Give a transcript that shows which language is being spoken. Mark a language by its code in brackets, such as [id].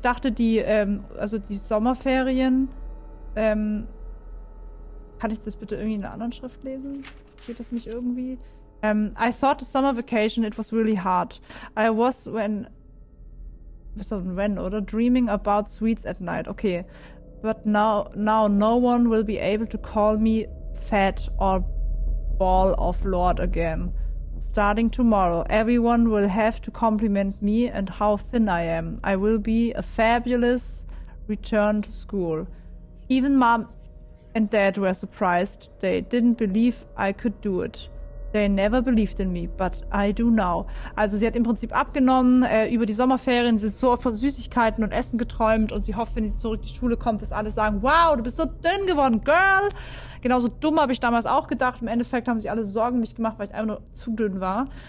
[de] Die Sommerferien. Kann ich das bitte irgendwie in einer anderen Schrift lesen? Geht das nicht irgendwie? [en] I thought the summer vacation, it was really hard. I was dreaming about sweets at night. Okay. But now no one will be able to call me fat or ball of lord again. Starting tomorrow, everyone will have to compliment me and how thin I am. I will be a fabulous return to school. Even mom and dad were surprised. They didn't believe I could do it. They never believed in me, but I do now. [de] Also sie hat im Prinzip abgenommen, über die Sommerferien, sie hat so oft von Süßigkeiten und Essen geträumt und sie hofft, wenn sie zurück in die Schule kommt, dass alle sagen, wow, du bist so dünn geworden, girl. Genauso dumm habe ich damals auch gedacht. Im Endeffekt haben sich alle Sorgen um mich gemacht, weil ich einfach nur zu dünn war.